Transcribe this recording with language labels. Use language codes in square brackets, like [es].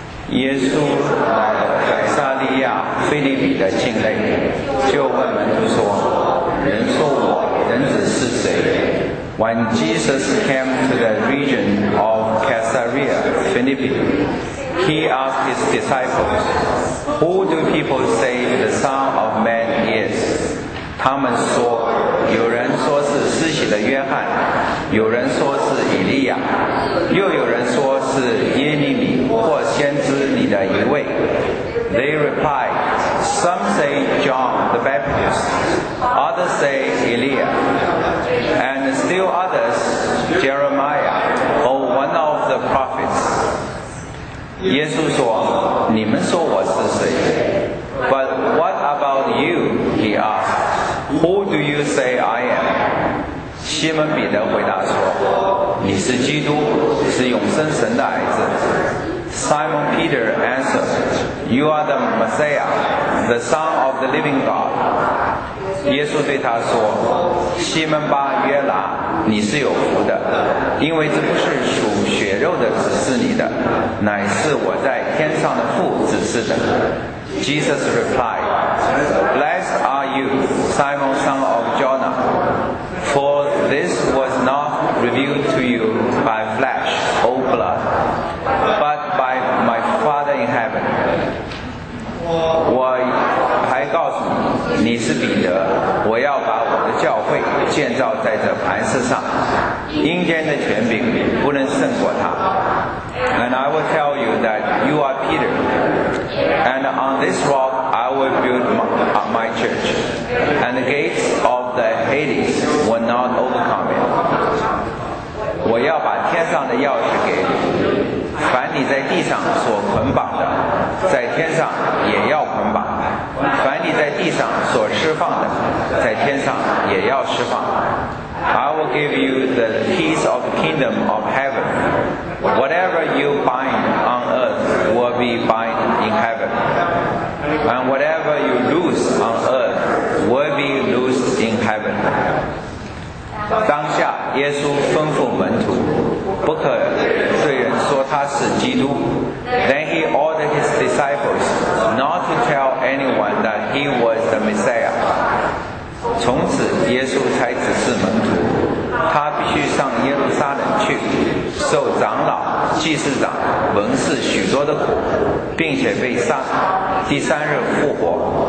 [zh] 耶稣来到凯撒利亚腓立比的境内，就问门徒说：“人说我人子是谁？” [en] When Jesus came to the region of Caesarea Philippi, he asked his disciples, "Who do people say the Son of Man is?" [zh] 他们说：“有人说是施洗的约翰，有人说是以利亚，又有人说是耶利米或先知里的一位。” [en] They replied, "Some say John the Baptist, others say Elijah, and still others Jeremiah or one of the prophets." [zh] 耶稣说：“你们说我是谁？” [en] But what about you? He asked. Who do you say I am? [zh] 西门彼得回答说：“你是基督，是永生神的儿子。” [en] Simon Peter answered, "You are the Messiah, the Son of the Living God." [zh] 耶稣对他说：“西门巴约拿，你是有福的，因为这不是属血肉的指示你的，乃是我在天上的父指示的。” [en] Jesus replied, "Blessed are you, Simon son of Jonah, for this was not revealed to you by flesh or blood, but by my Father in heaven." [zh] 我还告诉你，你是彼得，我要把我的教会建造在这磐石上，阴间的权柄不能胜过它。 [en] And I will tell you that you are Peter, and on this rock I will build my church, and the gates of the Hades will not overcome it. [zh] 我要把天上的钥匙给你，凡你在地上所捆绑的，在天上也要捆绑；凡你在地上所释放的，在天上也要释放。 [en] I will give you the keys of the kingdom of heaven. Whatever you bind on earth will be bound in heaven. And whatever you loose on earth will be loosed in heaven. [zh] 当下耶稣吩咐门徒不可对人说他是基督。 [en] Then he ordered his disciples not to tell anyone that he was the Messiah. [zh] 从此耶稣才指示门徒，他必须上耶路撒冷去，受长老、祭司长、文士许多的苦，并且被杀，第三日复活。